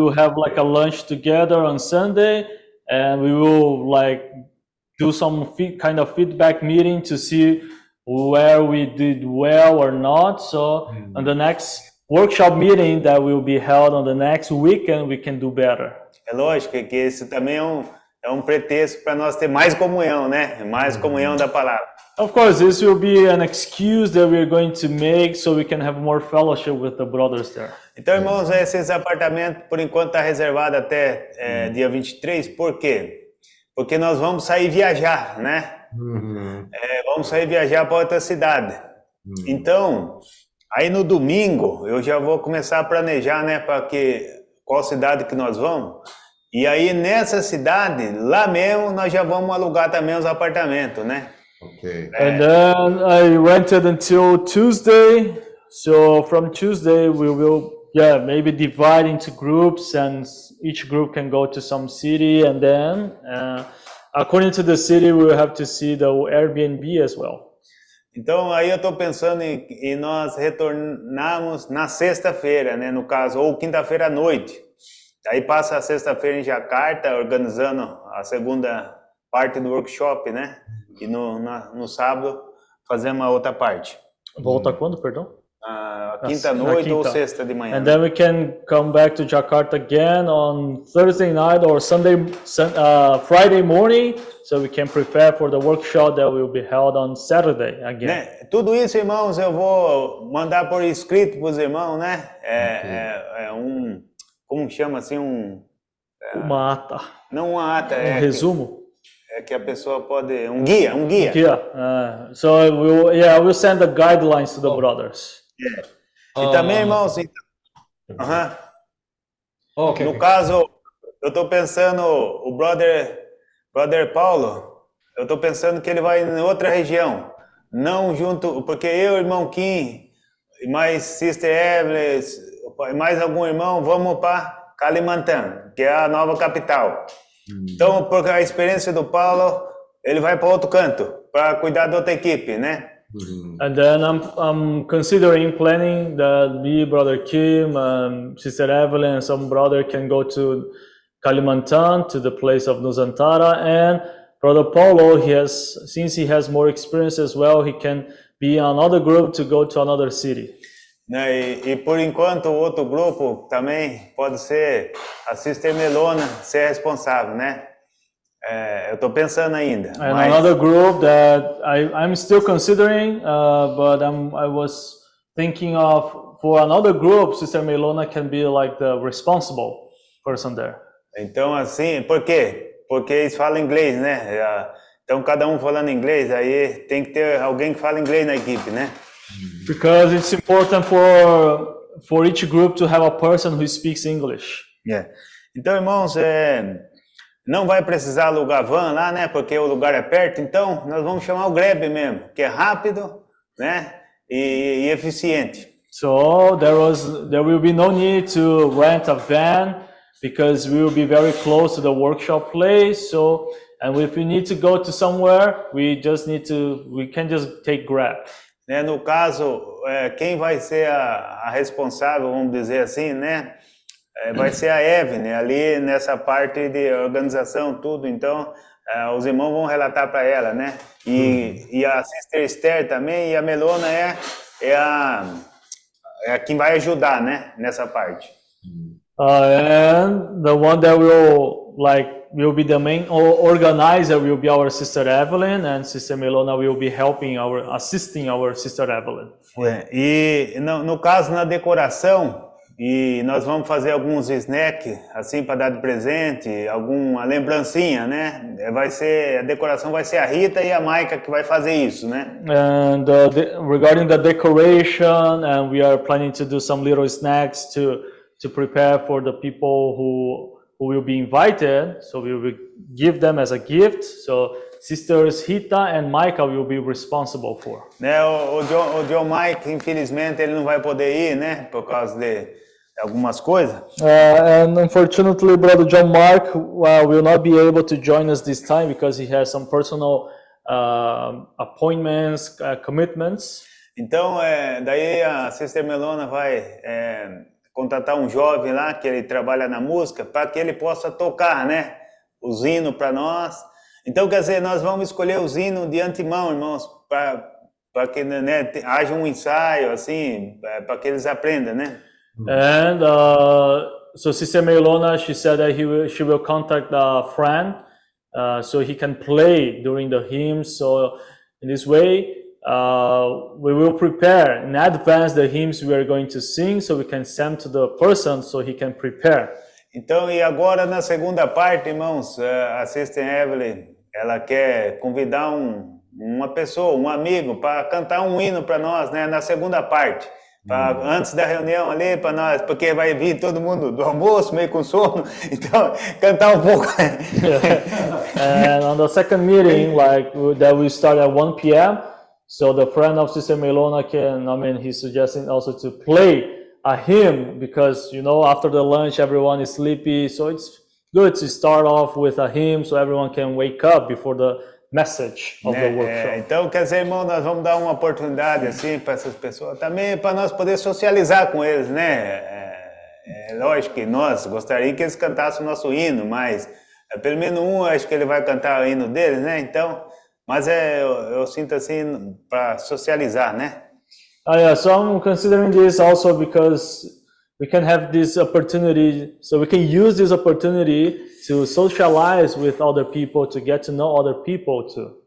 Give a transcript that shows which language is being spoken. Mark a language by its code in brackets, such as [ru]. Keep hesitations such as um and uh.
[en] will have like a lunch together on Sunday and we will like do some kind of feedback meeting to see where we did well or not. So on the next workshop meeting that will be held on the next weekend, we can do better. [pt] É lógico que esse também é um, é um pretexto para nós ter mais comunhão, né? Mais comunhão da palavra. [en] Of course, this will be an excuse that we are going to make so we can have more fellowship with the brothers there. [pt] Então, irmãos, esse apartamento por enquanto está reservado até é, dia 23. Por quê? Porque nós vamos sair viajar, né? Uhum. É, vamos sair viajar para outra cidade. Uhum. Então, aí no domingo eu já vou começar a planejar, né, para que qual cidade que nós vamos. E aí nessa cidade, lá mesmo nós já vamos alugar também os apartamentos, né? [en] Okay. É. And then I rented until Tuesday. So from Tuesday we will, yeah, maybe divide into groups and each group can go to some city and then. Uh, According to the city, we will have to see the Airbnb as well. [pt] Então aí eu estou pensando em, em nós retornarmos na sexta-feira, né, no caso, ou quinta-feira à noite. Aí passa a sexta-feira em Jacarta, organizando a segunda parte do workshop, né? E no, na, no sábado fazer uma outra parte. Volta quando, perdão? Uh, quinta noite Na quinta. ou sexta de manhã. e [en] then we can come back to Jakarta again on Thursday night or Sunday, uh, Friday morning, so we can prepare for the workshop that will be held on Saturday again. Né? [pt] Tudo isso, irmãos, eu vou mandar por escrito para os irmãos, né? É, okay. é, é um, como um, chama assim, um. É, uma ata. Não uma ata, um é. Um resumo. É que... É que a pessoa pode um guia, então, um guia. Um guia. [en] Uh, so we'll, yeah, we'll send the guidelines to the oh. [pt] brothers. E ah. também, irmão, sim. Uhum. -huh. Okay. no caso, eu estou pensando, o brother, brother Paulo, eu estou pensando que ele vai em outra região. Não junto, porque eu, irmão Kim, e mais Sister Evelyn, e mais algum irmão, vamos para Kalimantan, que é a nova capital. Hum. Então, porque a experiência do Paulo, ele vai para outro canto, para cuidar da outra equipe, né? [en] And then I'm, I'm considering planning that me, brother Kim, um, sister Evelyn, and some brother can go to Kalimantan to the place of Nusantara. And brother Paulo, he has since he has more experience as well, he can be another group to go to another city. [pt] Yeah, e, e, por enquanto outro grupo também pode ser a sister Melona ser responsável, né? É, eu estou pensando ainda. And mas... another [en] group that I I'm still considering, uh, but I'm I was thinking of for group, Sister Melona can be like the responsible person there. [pt] Então assim, por quê? Porque eles falam inglês, né? Então cada um falando inglês, aí tem que ter alguém que fala inglês na equipe, né? [en] Because it's important for for each group to have a person who speaks English. Yeah. [pt] Então, irmãos, é não vai precisar alugar van lá, né? Porque o lugar é perto. Então, nós vamos chamar o Grab mesmo, que é rápido, né? E, e eficiente. [en] So there, was, there will be no need to rent a van because we will be very close to the workshop place. So, and if we need to go to somewhere, we just need to, we can just take Grab. [pt] Né, no caso, é, quem vai ser a, a responsável, vamos dizer assim, né? vai ser a Eve, né? Ali nessa parte de organização, tudo. Então, uh, os irmãos vão relatar para ela, né? E, uh -huh. e, a Sister Esther também. E a Melona é, é a, é, a, quem vai ajudar, né? Nessa parte. Uh, [en] and the one that will like will be the main organizer will be our sister Evelyn and sister Melona will be helping our assisting our sister Evelyn. É, yeah. [pt] e no, no caso na decoração, e nós vamos fazer alguns snacks, assim, para dar de presente, alguma lembrancinha, né? Vai ser, a decoração vai ser a Rita e a Maika que vai fazer isso, né? [en] And uh, the, regarding the decoration, and uh, we are planning to do some little snacks to, to prepare for the people who, who will be invited. So we will give them as a gift. So sisters Rita and Maika will be responsible for. [pt] Né, o, o, John, o John Mike, infelizmente, ele não vai poder ir, né? Por causa de algumas coisas. [en] Uh, and unfortunately, brother John Mark uh, well, will not be able to join us this time because he has some personal uh, appointments, uh, commitments. [pt] Então, é, daí a Sister Melona vai é, contratar um jovem lá que ele trabalha na música para que ele possa tocar, né, os hinos para nós. Então, quer dizer, nós vamos escolher o hinos de antemão, irmãos, para para que né, haja um ensaio assim, para que eles aprendam, né? [en] E uh, so Sister Melona, she said that he will, she will contact a friend uh, so he can play during the hymn. So in this way, uh, we will prepare in advance the hymns we are going to sing so we can send to the person so he can prepare. [pt] Então, e agora na segunda parte, irmãos, a Sister Evelyn, ela quer convidar um, uma pessoa, um amigo, para cantar um hino para nós, né, na segunda parte. [en] and on the second meeting, like that we start at 1 p.m., so the friend of Sister Melona can, I mean, he's suggesting also to play a hymn because, you know, after the lunch, everyone is sleepy, so it's good to start off with a hymn so everyone can wake up before the message of né? workshop. [pt] É, então, quer dizer, irmão, nós vamos dar uma oportunidade assim para essas pessoas também para nós poder socializar com eles, né? É, é lógico que nós gostaríamos que eles cantassem o nosso hino, mas pelo menos um acho que ele vai cantar o hino deles, né? Então, mas é eu, eu sinto assim para socializar, né? [en] Ah, oh, yeah, so I'm considering this also because we can have this opportunity so we can use this opportunity to socialize with other people to get to know other people too.